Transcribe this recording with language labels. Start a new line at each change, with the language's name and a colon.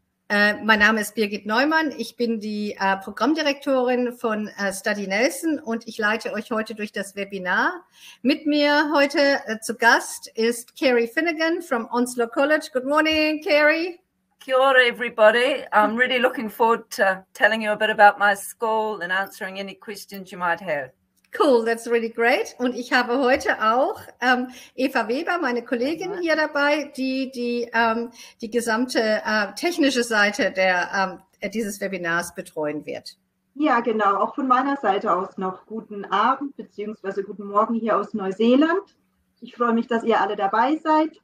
German: Mein Name ist Birgit Neumann, ich bin die Programmdirektorin von Study Nelson und ich leite euch heute durch das Webinar. Mit mir heute zu Gast ist Kerry Finnegan
English: from Onslow College. Good morning, Kerry. Kia ora, everybody. I'm really looking forward to telling you a bit about my school and answering any questions you might have. Cool, that's really great.
German: Und ich habe heute auch Eva Weber, meine Kollegin, hier dabei, die gesamte technische Seite dieses Webinars betreuen wird. Ja, genau. Auch von meiner Seite aus noch guten Abend bzw. guten Morgen hier aus Neuseeland. Ich freue mich, dass ihr alle dabei seid.